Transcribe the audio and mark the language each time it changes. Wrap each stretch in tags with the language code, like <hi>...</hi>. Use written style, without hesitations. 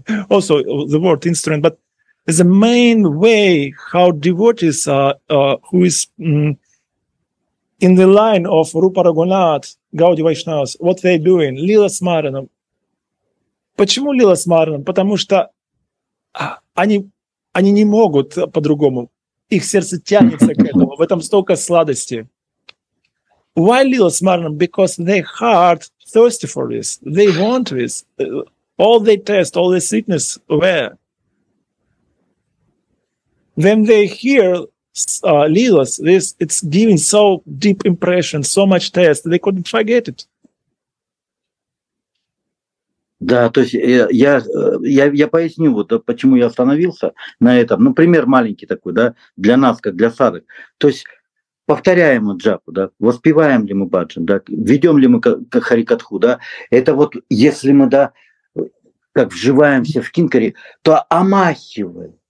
<en>Also the word instrument, but is the main way how devotees who is in the line of Rupa Raghunath, Gaudi Vaishnavas, what they doing?</en> <ru>Lila Smaranam. Почему Lila Smaranam? Потому что они не могут по-другому. Их сердце тянется к этому. В этом столько сладости.</ru> <en>Why Lila Smaranam? Because their heart thirsty for this. They want this. All they taste, all the sweetness, where? When they hear Lilas, this it's giving so deep impression, so much taste, they couldn't forget it.</en> <ru>Да, то есть я поясню, вот почему я остановился на этом. Ну, пример маленький такой, да, для нас, как для садок. То есть повторяем мы джапу, да, воспеваем ли мы баджан, да, ведем ли мы харикатху, да, это вот если мы, да, как вживаемся в кинкари, то омахиваем.</ru>